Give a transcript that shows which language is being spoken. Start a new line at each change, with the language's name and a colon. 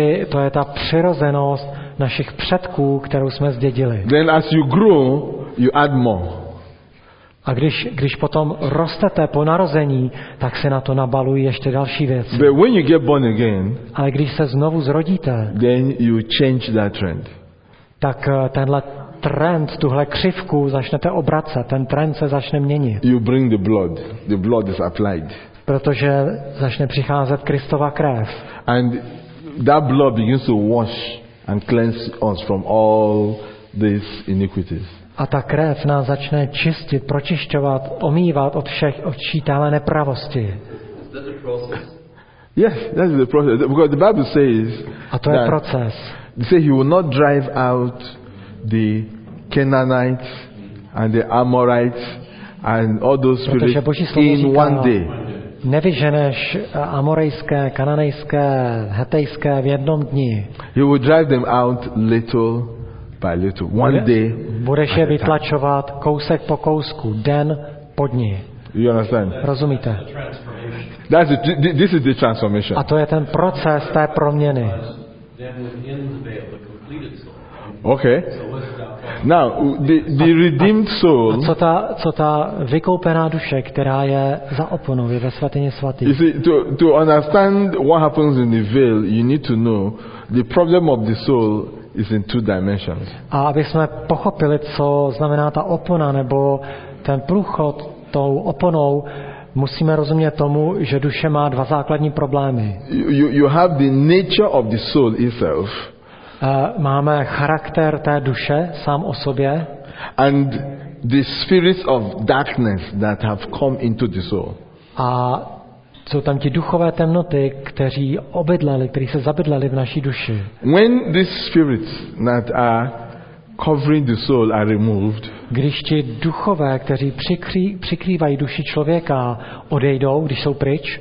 Czech: To je ta přirozenost našich předků, kterou jsme zdědili.
English: Then as you grow, you add more.
Czech: A když potom rostete po narození, tak se na to nabalují ještě další věci.
English: But when you get born again,
Czech: ale když se znovu zrodíte,
English: then you change that trend.
Czech: Tak tenhle trend, tuhle křivku začnete obracet, ten trend se začne měnit.
English: You bring the blood is applied.
Czech: Protože začne přicházet Kristova krev.
English: And that blood begins to wash and cleanse us from all these iniquities.
Czech: A ta krev nás začne čistit, pročišťovat, omývat od všech odčítané nepravosti.
English: Yes, that's the process. Because the Bible says,
Czech: a to je proces.
English: It says he will not drive out the Canaanites and the Amorites and all those spirits in
Czech: říká,
English: one day.
Czech: Nevyženeš amorejské, kananejské, hetejské v jednom dni.
English: He will drive them out little by little, one day.
Czech: Budeš je vytlačovat kousek po kousku, den po dni.
English: You understand?
Czech: Rozumíte?
English: That's the transformation. This is the transformation.
Czech: A to je ten proces té proměny.
English: Okay. Now the redeemed soul.
Czech: A co ta vykoupená duše, která je za oponou, je ve svatyni svatých.
English: You see, to understand what happens in the veil, you need to know the problem of the soul is in two dimensions.
Czech: A abychom pochopili, co znamená ta opona nebo ten průchod tou oponou, musíme rozumět tomu, že duše má dva základní problémy.
English: You have the nature of the soul itself.
Czech: Máme charakter té duše sám o sobě.
English: And the spirits of darkness that have come into the soul.
Czech: A jsou tam ti duchové temnoty, kteří obydleli, kteří se zabydleli v naší duši.
English: When these spirits that are covering the soul are removed.
Czech: Když ti duchové, kteří přikrývají duši člověka, odejdou, když jsou pryč.